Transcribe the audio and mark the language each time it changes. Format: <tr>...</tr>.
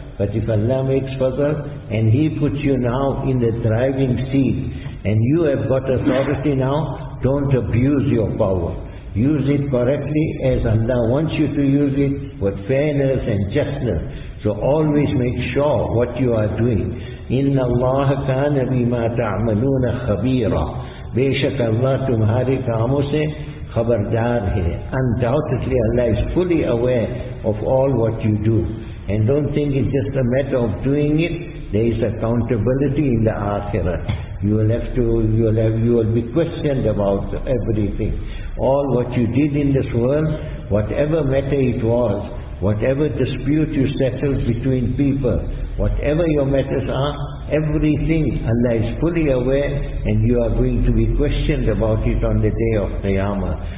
<en>But if Allah makes fazl and He puts you now in the driving seat and you have got authority now, don't abuse your power. Use it correctly as Allah wants you to use it, with fairness and justness. So always make sure what you are doing.</en> <ar>إِنَّ اللَّهَ كَانَ بِمَا تَعْمَلُونَ خَبِيرًا.</ar> <ur>بے شک اللہ تمہارے کاموں سے خبردار ہے.</ur> <en>Undoubtedly Allah is fully aware of all what you do. And don't think it's just a matter of doing it. There is accountability in the Akhirah. You will be questioned about everything. All what you did in this world, whatever matter it was, whatever dispute you settled between people, whatever your matters are, everything Allah is fully aware, and you are going to be questioned about it on the day of Qiyamah.</en>